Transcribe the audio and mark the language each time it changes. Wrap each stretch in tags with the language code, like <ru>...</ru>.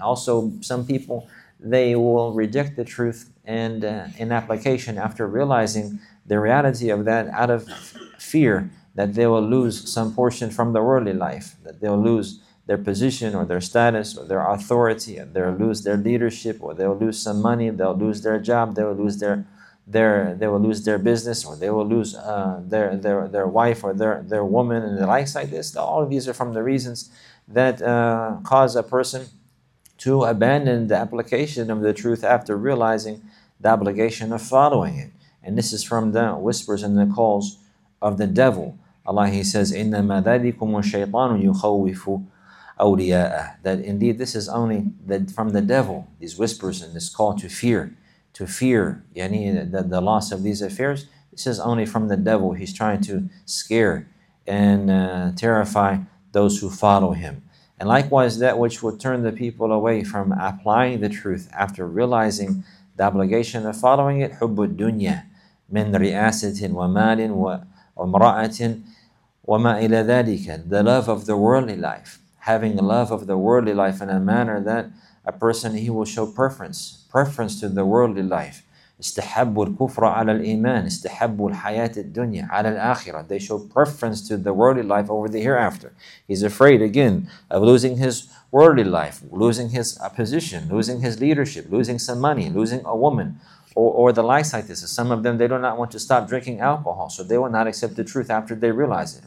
<en>Also, some people, they will reject the truth and in application after realizing the reality of that, out of fear that they will lose some portion from the worldly life, that they'll lose their position or their status or their authority, and they'll lose their leadership, or they'll lose some money, they'll lose their job, they'll lose their business, or they will lose their wife or their woman and the likes like this. All of these are from the reasons that cause a person to abandon the application of the truth after realizing the obligation of following it. And this is from the whispers and the calls of the devil.</en> <ar>Allah,</ar> <en>He says,</en> <ar>إِنَّمَا ذَلِكُمُ الشَّيْطَانُ يُخَوِّفُ أَوْلِيَاءَهُ.</ar> <en>That indeed this is only from the devil, these whispers and this call to fear. To fear, yani the loss of these affairs. This is only from the devil. He's trying to scare and terrify those who follow him. And likewise, that which will turn the people away from applying the truth after realizing the obligation of following it,</en> <ar>حب الدنيا من رئاسة ومال ومرأة وما إلى ذلك.</ar> <en>The love of the worldly life. Having love of the worldly life in a manner that a person, he will show preference to the worldly life.</en> <ar>استحب الكفر على الإيمان. استحب الحياة الدنيا على الآخرة.</ar> <en>They show preference to the worldly life over the hereafter. He's afraid, again, of losing his worldly life, losing his position, losing his leadership, losing some money, losing a woman, or the likes like this. Some of them, they do not want to stop drinking alcohol, so they will not accept the truth after they realize it.</en>